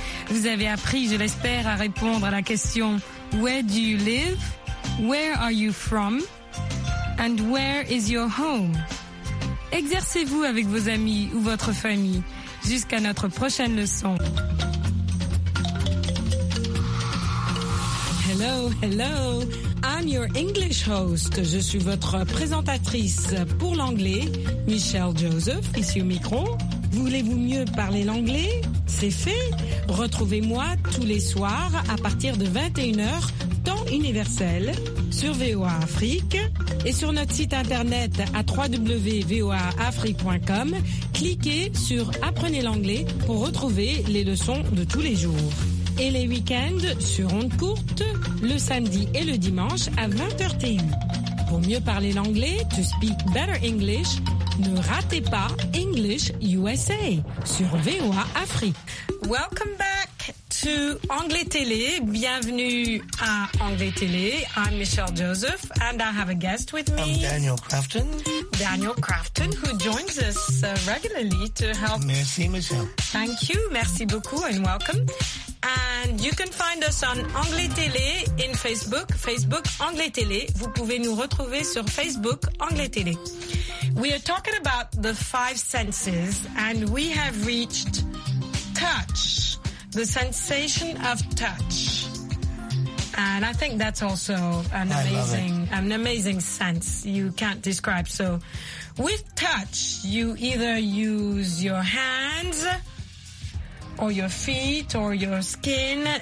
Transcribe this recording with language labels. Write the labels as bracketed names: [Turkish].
[French] Vous avez appris, je l'espère, à répondre à la question [English] Where do you live? Where are you from? And where is your home? [French] Exercez-vous avec vos amis ou votre famille. Jusqu'à notre prochaine leçon. [English] Hello, hello. I'm your English host. [French] Je suis votre présentatrice pour l'anglais, Michelle Joseph, ici au micro. Voulez-vous mieux parler l'anglais? C'est fait. Retrouvez-moi tous les soirs à partir de 21h, temps universel, sur VOA Afrique et sur notre site internet à www.voaafrique.com. Cliquez sur Apprenez l'anglais pour retrouver les leçons de tous les jours. Et les week-ends sur ondes courtes, le samedi et le dimanche à 20h TU. Pour mieux parler l'anglais, [English] to speak better English, [French] ne ratez pas English USA sur VOA Afrique. [English] Welcome back to Anglais Télé. [French] Bienvenue à Anglais Télé. [English] I'm Michelle Joseph and I have a guest with me. I'm Daniel Crafton. Daniel Crafton, who joins us regularly to help. [French] Merci, Michelle. [English] Thank you. [French] Merci beaucoup [English] and welcome. And you can find us on Anglais Télé in Facebook, Facebook Anglais Télé. [French] Vous pouvez nous retrouver sur Facebook Anglais Télé. [English] We are talking about the five senses and we have reached touch, the sensation of touch. And I think that's also an amazing sense you can't describe. So with touch, you either use your hands or your feet or your skin.